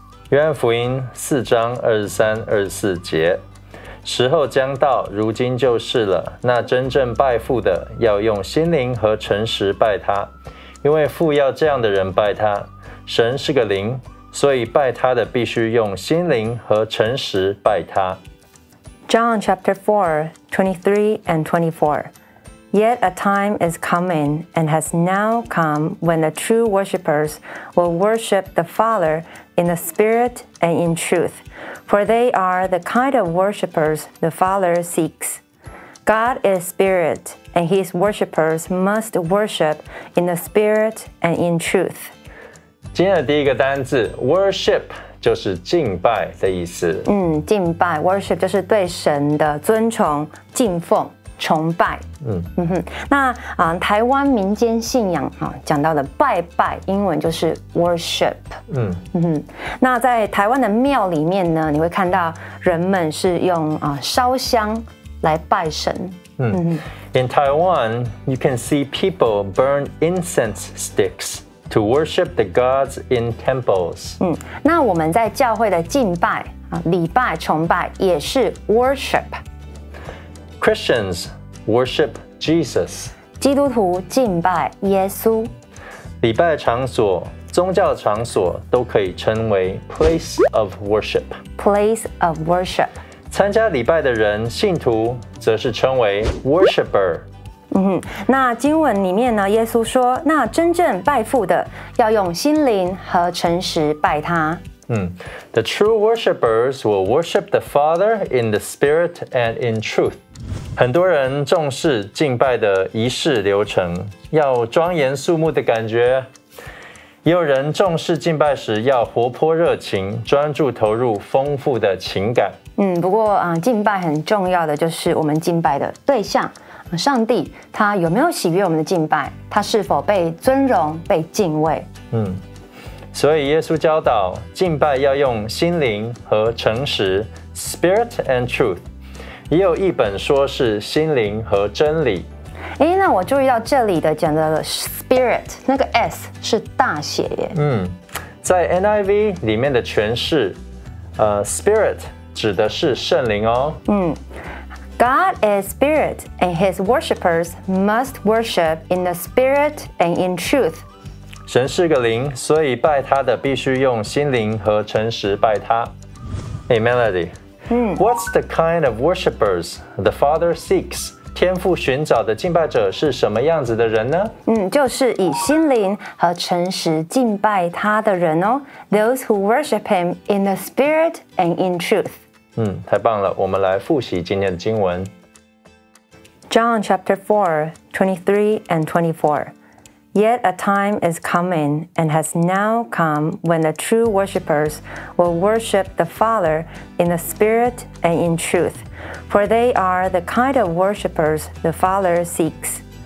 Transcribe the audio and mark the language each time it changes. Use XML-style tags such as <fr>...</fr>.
<zh>约翰福音4:23-24，时候将到，如今就是了。那真正拜父的，要用心灵和诚实拜他，因为父要这样的人拜他。神是个灵，所以拜他的必须用心灵和诚实拜他。</zh> <en>John chapter 4:23-24. Yet a time is coming and has now come when the true worshippers will worship the Father in the spirit and in truth, for they are the kind of worshippers the Father seeks. God is spirit, and his worshippers must worship in the spirit and in truth.</en> <zh>今天的第一个单字 worship 就是敬拜的意思。嗯，敬拜 worship 就是对神的尊崇、敬奉、崇拜。嗯哼，那啊、台湾民间信仰啊讲到的拜拜，英文就是 worship。嗯哼，那在台湾的庙里面呢，你会看到人们是用啊、烧香来拜神。</zh> <en>In Taiwan, you can see people burn incense sticks to worship the gods in temples.</en> <zh>那我们在教会的敬拜、礼拜、崇拜也是 worship.</zh> <en>Christians worship Jesus.</en> <zh>基督徒敬拜耶稣。礼拜场所、宗教场所都可以称为</zh> <en>place of worship. Place of worship.</en> <zh>参加礼拜的人，信徒则是称为 worshipper。那经文里面呢，耶稣说，那真正拜父的，要用心灵和诚实拜他。</zh> <en>The true worshippers will worship the Father in the Spirit and in truth。</en> <zh>很多人重视敬拜的仪式流程，要庄严肃穆的感觉。也有人重视敬拜时要活泼热情，专注投入丰富的情感。不过、敬拜很重要的就是我们敬拜的对象、上帝他有没有喜悦我们的敬拜，他是否被尊荣被敬畏。所以耶稣教导敬拜要用心灵和诚实</zh> <en>Spirit and truth，</en> <zh>也有一本说是心灵和真理。那我注意到这里的讲的 spirit 那个 S 是大写耶。在 NIV 里面的诠释、spirit 指的是圣灵哦。</zh> <en>God is spirit and his worshippers must worship in the spirit and in truth。</en> <zh>神是个灵，所以拜他的必须用心灵和诚实拜他。</zh> <en>Hey Melody、What's the kind of worshippers the Father seeks?</en> <zh>天父寻找的敬拜者是什么样子的人呢？就是以心灵和诚实敬拜他的人哦。</zh> <en>Those who worship him in the spirit and in truth。</en> <zh>太棒了，我们来复习今天的经文。</zh> <en>John chapter 4:23 and 24. Yet a time is coming and has now come when the true worshippers will worship the Father in the spirit and in truth. For they are the kind of worshippers the Father seeks.</en>